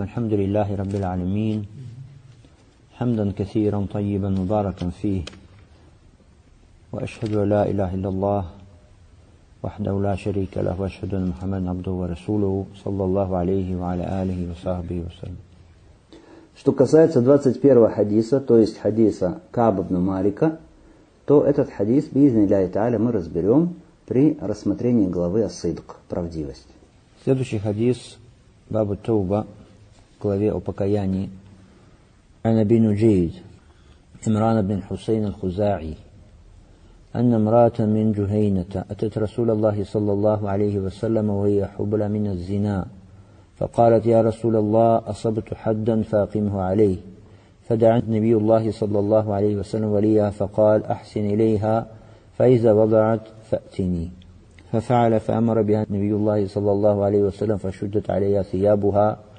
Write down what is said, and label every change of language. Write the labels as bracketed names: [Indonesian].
[Arabic] الحمد لله رب العالمين، حمدا كثيرا طيبا مباركا فيه، وأشهد لا إله إلا الله وحده لا شريك له، وأشهد أن محمدا عبده ورسوله صلى الله عليه وعلى آله وصحبه وسلم. [Russian] Что касается 21 хадиса, то есть хадиса Кааба ибн Малика, то этот хадис, [Arabic] بإذن الله تعالى, [Russian] мы разберем при рассмотрении главы الصدق, правдивость. Следующий хадис [Arabic] باب التوبة [Russian] главе о покаянии. [Arabic] عن أبي نجيد عمران بن حسين الخزاعي أن امرأة من جهينة أتت رسول الله صلى الله عليه وسلم وهي حبلى من الزنا، فقالت يا رسول الله أصبت حدا فأقمه عليه، فدعا النبي الله صلى الله عليه وسلم وليها فقال أحسن إليها فإذا وضعت فأتني، ففعل فأمر بها النبي الله صلى الله عليه وسلم فشدت عليها ثيابها،